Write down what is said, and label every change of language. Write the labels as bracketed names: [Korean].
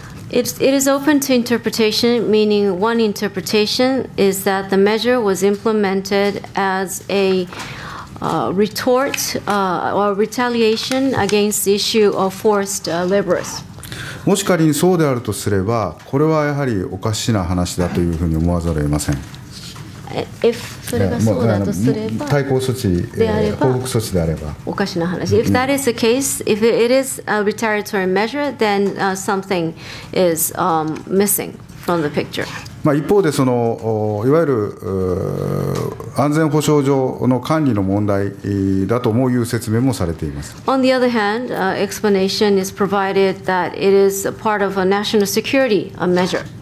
[English] It is open to interpretation, meaning one interpretation is that the measure was implemented as a retort or retaliation against the issue of forced laborers. [Japanese] もし仮にそうであるとすれば、これはやはりおかしな話だというふうに思わざるを得ません。 [English] If If that is the case, if it is a retaliatory measure, then something is missing from the picture. [Japanese] まあ、一方でそのいわゆる安全保障上の管理の問題だと思ういう説明もされています。 [English] On the other hand, explanation is provided that it is a part of a national security measure.